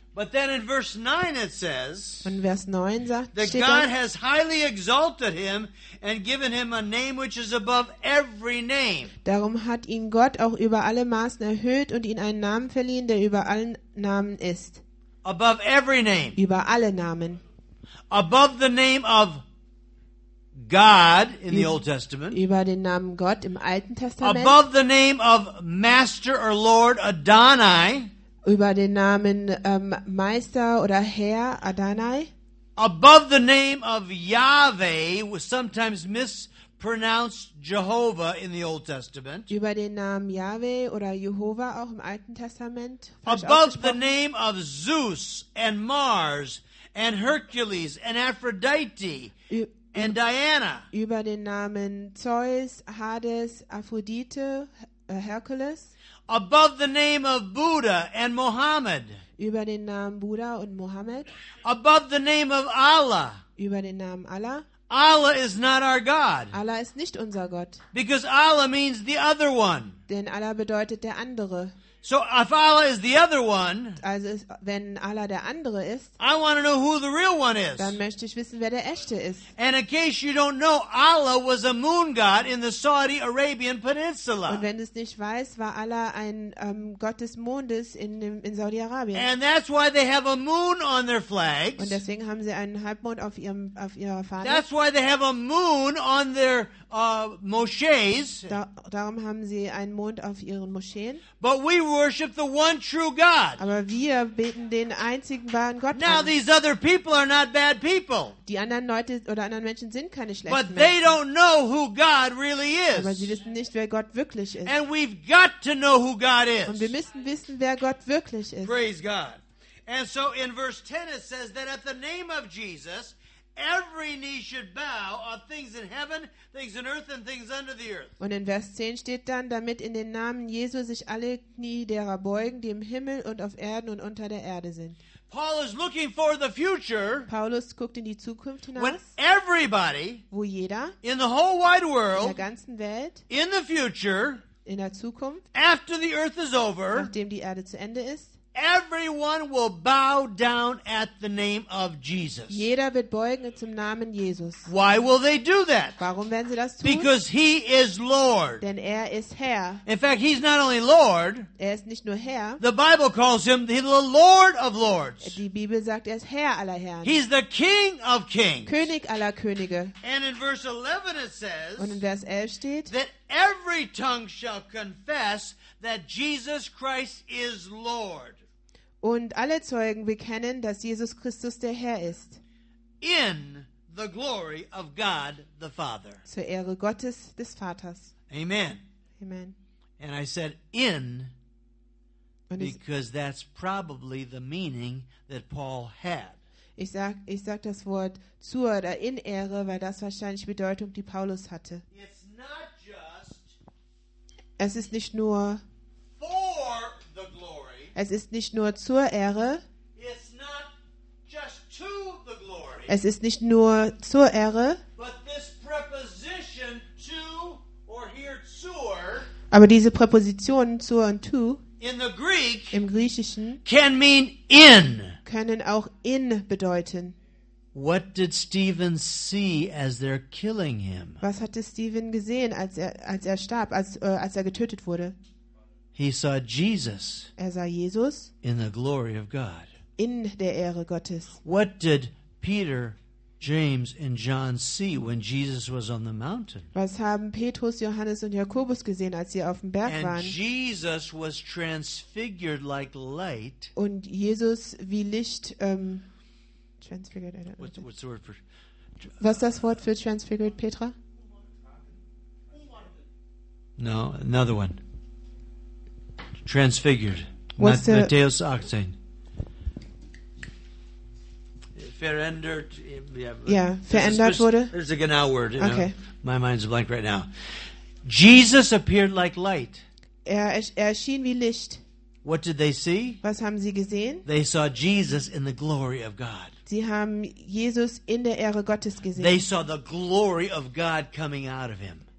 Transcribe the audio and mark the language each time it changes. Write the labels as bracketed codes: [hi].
[en] But then in verse 9 it says, [de] und Vers 9 sagt, [en] that [de] steht [en] God [de] da, [en] has highly exalted him and given him a name which is above every name. [de] Darum hat ihn Gott auch über alle Maßen erhöht und ihn einen Namen verliehen, der über allen Namen ist. [en] Above every name. [de] Über alle Namen. [en] Above the name of God in the Old Testament. [de] Über den Namen Gott im Alten Testament. [en] Above the name of Master or Lord Adonai. [de] Über den Namen Meister oder Herr Adonai. [en] Above the name of Yahweh, sometimes mispronounced Jehovah in the Old Testament. [de] Über den Namen Yahweh oder Jehovah auch im Alten Testament. [en] Above the name of Zeus and Mars and Hercules and Aphrodite and Diana. [de] Über den Namen Zeus, Hades, Aphrodite, Hercules. [en] Above the name of Buddha and Mohammed. [de] Über den Namen Buddha und Mohammed. [en] Above the name of Allah. [de] Über den Namen Allah. [en] Allah is not our God. [de] Allah ist nicht unser Gott. [en] Because Allah means the other one. [de] Denn Allah bedeutet der andere. [en] So if Allah is the other one, [de] also ist, wenn Allah der andere ist, [en] I want to know who the real one is. [de] Dann möchte ich wissen, wer der echte ist. [en] And in case you don't know, Allah was a moon god in the Saudi Arabian Peninsula. [de] Und wenn du es nicht weißt, war Allah ein Gott des Mondes in Saudi-Arabien. [en] And that's why they have a moon on their flags. [de] Und deswegen haben sie einen Halbmond auf ihrer Fahne. [en] That's why they have a moon on their moschees. [de] Darum haben sie einen Mond auf ihren Moscheen. [en] But we worship the one true God. [de] Aber wir beten den einzigen wahren Gott [en] Now [de] an. [en] These other people are not bad people. [de] Die anderen Leute oder anderen Menschen sind keine schlechten [en] But [de] Menschen. [en] They don't know who God really is. [de] Aber sie wissen nicht, wer Gott wirklich ist. [en] And we've got to know who God is. [de] Und wir müssen wissen, wer Gott wirklich ist. [en] Praise God. And so in verse 10 it says that at the name of Jesus every knee should bow of things in heaven, things in earth, and things under the earth. [de] Und in Vers 10 steht dann, damit in den Namen Jesu sich alle Knie derer beugen, die im Himmel und auf Erden und unter der Erde sind. [en] Paul is looking for the future. [de] Paulus guckt in die Zukunft hinaus. [en] When everybody, [de] wo jeder, [en] in the whole wide world, [de] in der ganzen Welt, [en] in the future, [de] in der Zukunft, [en] after the earth is over, [de] nachdem die Erde zu Ende ist. [en] Everyone will bow down at the name of Jesus. [de] Jeder wird beugen zum Namen Jesus. [en] Why will they do that? [de] Warum werden sie das tun? [en] Because he is Lord. [de] Denn er ist Herr. [en] In fact, he's not only Lord. [de] Er ist nicht nur Herr. [en] The Bible calls him the Lord of Lords. [de] Die Bibel sagt, er ist Herr aller Herren. [en] He's the King of Kings. [de] König aller Könige. [en] And in verse 11 it says, [de] und in Vers 11 steht, [en] that every tongue shall confess that Jesus Christ is Lord. [de] Und alle Zeugen bekennen, dass Jesus Christus der Herr ist. [en] In the glory of God the Father. [de] Zur Ehre Gottes des Vaters. [en] Amen. [de] Amen. [en] And I said in because that's probably the meaning that Paul had. [de] Ich sag das Wort zur oder in Ehre, weil das wahrscheinlich Bedeutung, die Paulus hatte. [en] It's not just, [de] es ist nicht nur [en] for the glory. [de] Es ist nicht nur zur Ehre. [en] It's not just to the glory. [de] Es ist nicht nur zur Ehre. [en] But this preposition to or here zur, [de] aber diese Präposition zur und to [en] in the Greek, [de] im Griechischen [en] can mean in. [de] Können auch in bedeuten. [en] What did Stephen see as they're killing him? [de] Was hatte Stephen gesehen, als er starb, als er getötet wurde? [en] He saw Jesus. [de] Er sah Jesus [en] in the glory of God. [de] In der Ehre Gottes. [en] What did Peter, James and John see when Jesus was on the mountain? [de] Was haben Petrus, Johannes und Jakobus gesehen, als sie auf dem Berg waren? [en] And Jesus was transfigured like light. [de] Und Jesus wie Licht transfigured. [en] What's the word for? [de] Was das Wort für transfigured, Petra? [en] No, another one. Transfigured. [de] Matthäus 18. Verändert. [en] Yeah, [de] verändert wurde. [en] There's a genau word. Okay. Know. My mind's blank right now. Jesus appeared like light. [de] Er erschien wie Licht. [en] What did they see? [de] Was haben sie gesehen? [en] They saw Jesus in the glory of God. [de] Sie haben Jesus in der Ehre Gottes gesehen. [en] They saw the glory of God coming out of him.